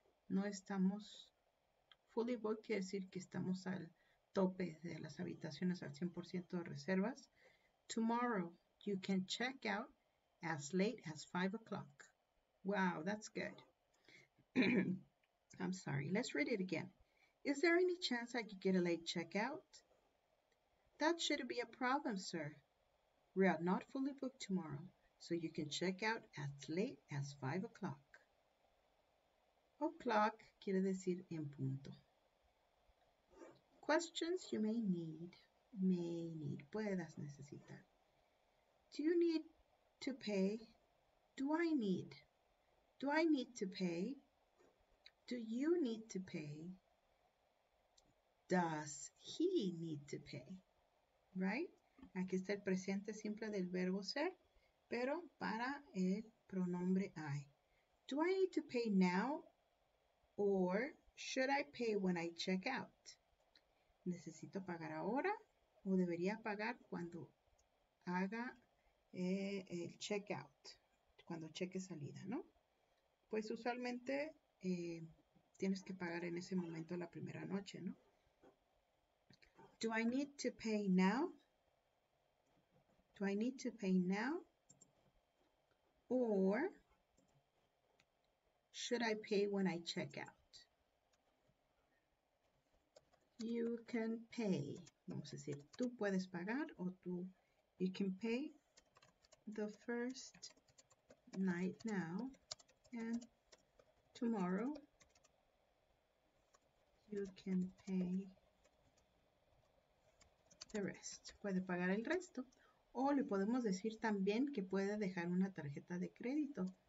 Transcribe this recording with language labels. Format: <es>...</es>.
<es>No estamos</es> <en>fully booked,</en> <es>quiere decir que estamos al tope de las habitaciones, al 100% de reservas.</es> <en>Tomorrow you can check out as late as 5 o'clock. Wow, that's good. I'm sorry. Let's read it again. Is there any chance I could get a late checkout? That shouldn't be a problem, sir. We are not fully booked tomorrow, so you can check out as late as 5 o'clock.</en> <es>O'clock quiere decir en punto.</es> <en>Questions you may need,</en> <es>puedas necesitar.</es> <en>Do you need to pay? Do I need to pay? Do you need to pay? Does he need to pay? Right?</en> <es>Aquí está el presente simple del verbo ser, pero para el pronombre I.</es> <en>Do I need to pay now or should I pay when I check out?</en> <es>¿Necesito pagar ahora o debería pagar cuando haga el checkout, cuando cheque salida, ¿no? Pues usualmente tienes que pagar en ese momento la primera noche, ¿no?</es> <en>Do I need to pay now? Do I need to pay now? Or should I pay when I check out? You can pay.</en> <es>Vamos a decir, tú puedes pagar o tú,</es> <en>you can pay. The first night now and tomorrow you can pay the rest.</en> <es>Puede pagar el resto. O le podemos decir también que puede dejar una tarjeta de crédito.</es>